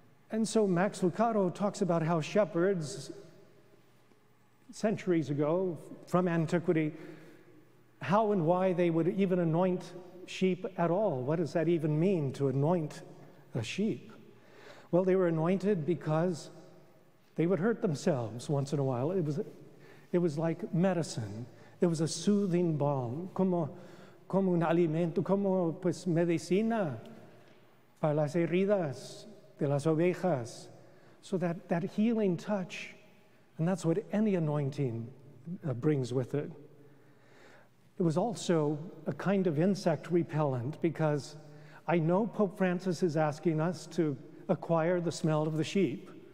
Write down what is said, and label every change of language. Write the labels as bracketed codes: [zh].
[en] And so Max Lucado talks about how shepherds, centuries ago, from antiquity, how and why they would even anoint sheep at all. What does that even mean, to anoint a sheep? Well, they were anointed because they would hurt themselves once in a while. It was like medicine. It was a soothing balm, [es] como un alimento, como pues medicina para las heridas de las ovejas. [en] So that healing touch, and that's what any anointing brings with it. It was also a kind of insect repellent, because I know Pope Francis is asking us to acquire the smell of the sheep.